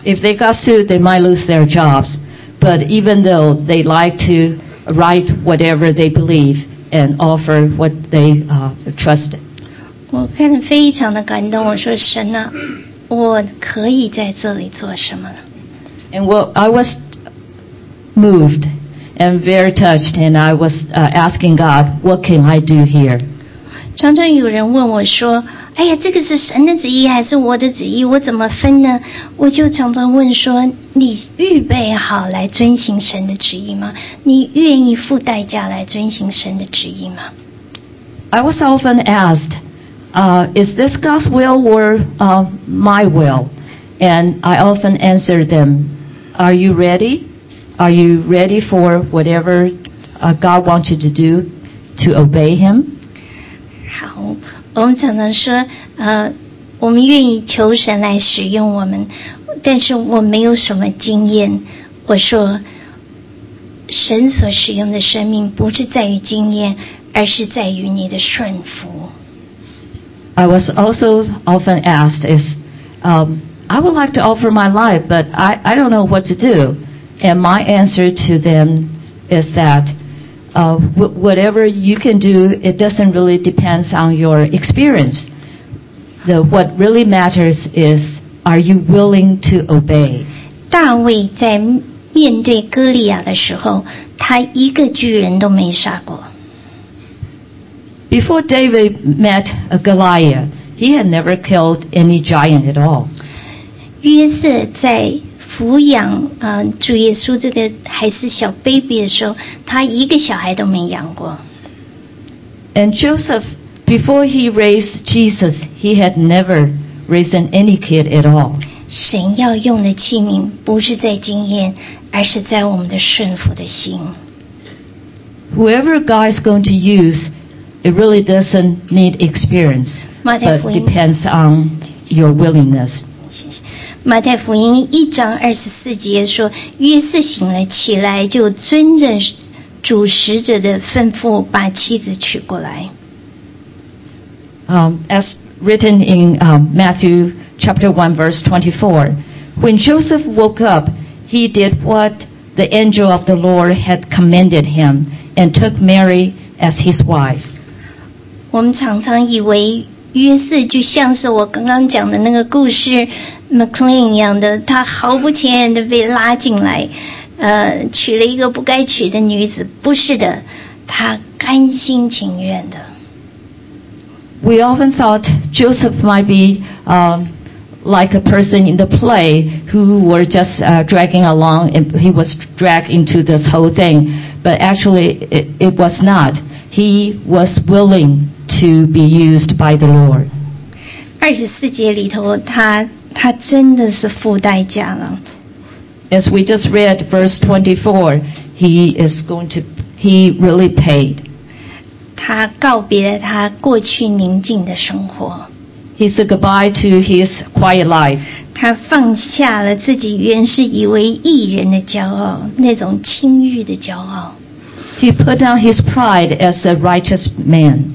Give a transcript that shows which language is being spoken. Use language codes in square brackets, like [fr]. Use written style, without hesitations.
[en] If they got sued, they might lose their jobs. But even though they like to write whatever they believe and offer what they trust. [zh] 我看得非常的感动，我说神啊，我可以在这里做什么呢？ [en] And well, I was moved and very touched, and I was asking God, what can I do here? [zh] 常常有人问我说，哎呀，这个是神的旨意还是我的旨意，我怎么分呢？我就常常问说，你预备好来遵行神的旨意吗？你愿意付代价来遵行神的旨意吗？ [en] I was often asked, is this God's will or my will? And I often answered them, are you ready? Are you ready for whatever God wants you to do to obey him? [zh] 我们常常说我们愿意求神来使用我们，但是我没有什么经验。我说神所使用的生命不是在于经验，而是在于你的顺服。 [en] I was also often asked is, I would like to offer my life, but I don't know what to do. And my answer to them is thatwhatever you can do, it doesn't really depend on your experience. What really matters is, are you willing to obey? [zh] 大卫在面对哥利亚的时候，他一个巨人都没杀过。 [en] Before David met Goliath, he had never killed any giant at all. [zh] 约瑟在抚养主耶稣这个还是小 baby 的时候，他一个小孩都没养过。 [en] And Joseph, before he raised Jesus, he had never raised any kid at all. [zh] 神要用的器皿不是在经验，而是在我们的顺服的心。 [en] Whoever God is going to use, it really doesn't need experience, but depends on your willingness. [zh] 马太福音一章二十四节说，约瑟醒了起来，就遵着主使者的吩咐，把妻子娶过来。 [en] As written in Matthew chapter 1 verse 24, when Joseph woke up, he did what the angel of the Lord had commanded him and took Mary as his wife. [zh] 我们常常以为约瑟就像是我刚刚讲的那个故事 McLean 一样的，他毫不起眼的被拉进来，娶了一个不该娶的女子。不是的，他甘心情愿的。 [en] We often thought Joseph might be like a person in the play who were just dragging along, and he was dragged into this whole thing. But actually, it was not. He was willing. To be used by the Lord. [zh] 二十四节里头，他真的是付代价了。 [en] As we just read verse 24, he really paid. [zh] 他告别了他过去宁静的生活。 [en] He said goodbye to his quiet life. [zh] 他放下了自己原是以为义人的骄傲，那种轻欲的骄傲。 [en] He put down his pride as a righteous man.